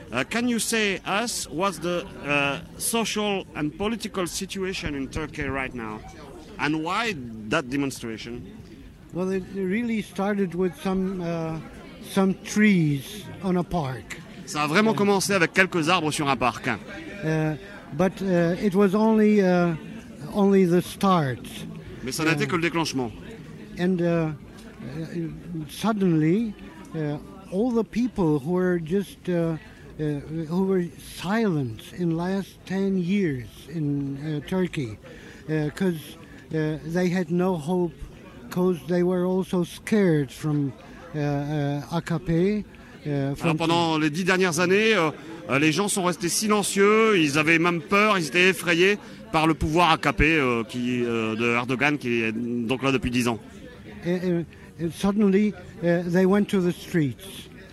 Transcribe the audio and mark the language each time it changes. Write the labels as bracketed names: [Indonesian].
[English] Can you say us what's the social and political situation in Turkey right now, and why that demonstration? Well, it really started with some trees on a park. [French] Ça a vraiment commencé avec quelques arbres sur un parc. [English] But it was only the start. [French] Mais ça n'était que le déclenchement. [English] And suddenly, all the people who were just who were silent in last 10 years in Turkey, because they had no hope, because they were also scared from AKP. [French] Alors pendant les 10 dernières années, les gens sont restés silencieux, ils avaient même peur, ils étaient effrayés par le pouvoir AKP de Erdogan, qui est donc là depuis 10 ans. [English] Suddenly, they went to the streets.